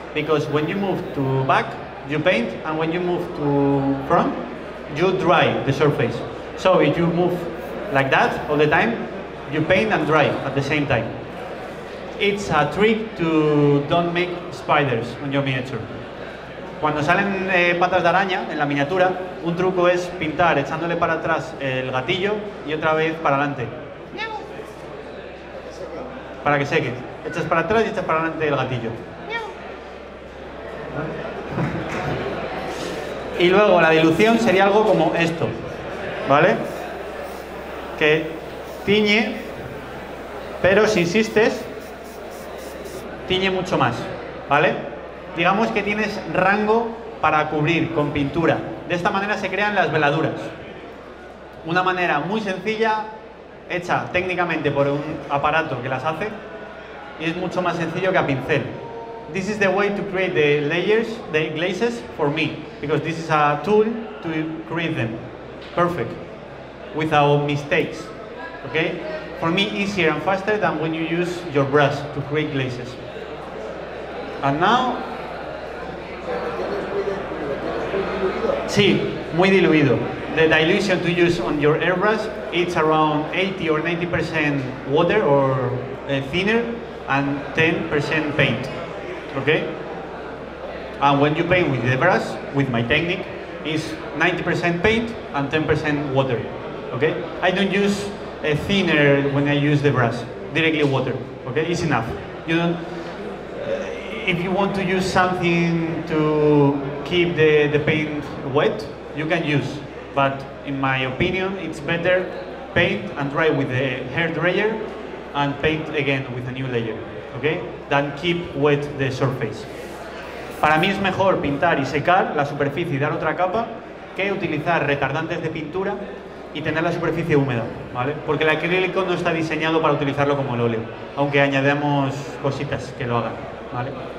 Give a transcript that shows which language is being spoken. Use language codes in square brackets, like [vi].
[en] Because when you move to back, you paint, and when you move to front, you dry the surface. So if you move like that all the time, you paint and dry at the same time. It's a trick to don't make spiders on your miniature. [es] Cuando salen patas de araña en la miniatura, un truco es pintar echándole para atrás el gatillo y otra vez para adelante. Para que seque. Echas para atrás y echas para adelante el gatillo. Y luego la dilución sería algo como esto, ¿vale? Que tiñe, pero si insistes, tiñe mucho más, ¿vale? Digamos que tienes rango para cubrir con pintura. De esta manera se crean las veladuras. Una manera muy sencilla, hecha técnicamente por un aparato que las hace, y es mucho más sencillo que a pincel. [en] This is the way to create the layers, the glazes, for me, because this is a tool to create them. Perfect. Without mistakes. Okay? For me, easier and faster than when you use your brush to create glazes. And now... [es] Sí, muy diluido. [en] The dilution to use on your airbrush, it's around 80 or 90% water or thinner and 10% paint. Okay? And when you paint with the brush, with my technique, it's 90% paint and 10% water. Okay? I don't use a thinner when I use the brush, directly water. Okay? It's enough. You don't, if you want to use something to keep the paint wet, you can use. But in my opinion, it's better paint and dry with the hair dryer and paint again with a new layer. Okay? Than keep wet the surface. [es] Para mí es mejor pintar y secar la superficie y dar otra capa que utilizar retardantes de pintura y tener la superficie húmeda, ¿vale? Porque el acrílico no está diseñado para utilizarlo como el óleo, aunque añadamos cositas que lo hagan, ¿vale?